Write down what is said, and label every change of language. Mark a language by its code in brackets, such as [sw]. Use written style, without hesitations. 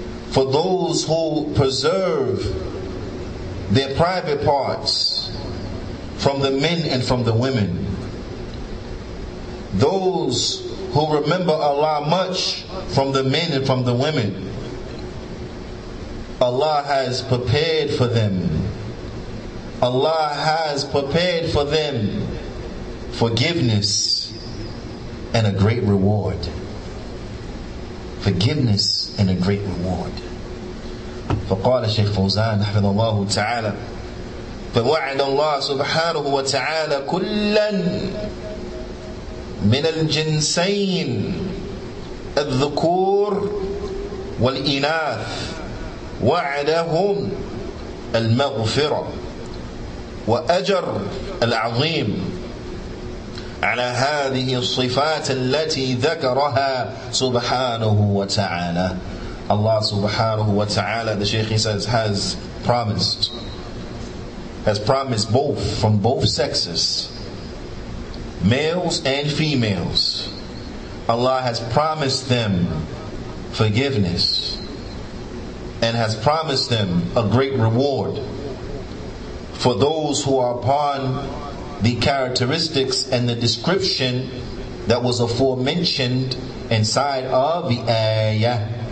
[en] for those who preserve their private parts from the men and from the women, those who remember Allah much from the men and from the women, Allah has prepared for them. Allah has prepared for them forgiveness and a great reward. Forgiveness and a great reward. [ar] فَقَالَ شَيْخُ فَوْزَانَ حَفِظَ اللَّهُ تَعَالَى فَوَعَدَ اللَّهُ سُبْحَانَهُ وَتَعَالَى كُلًّا من الجنسين الذكور والإناث وعدهم المغفرة وأجر العظيم على هذه الصفات التي ذكرها سبحانه وتعالى. [en] الله سبحانه وتعالى, the Shaykh says, has promised both, from both sexes, males and females, Allah has promised them forgiveness and has promised them a great reward for those who are upon the characteristics and the description that was aforementioned inside of the ayah.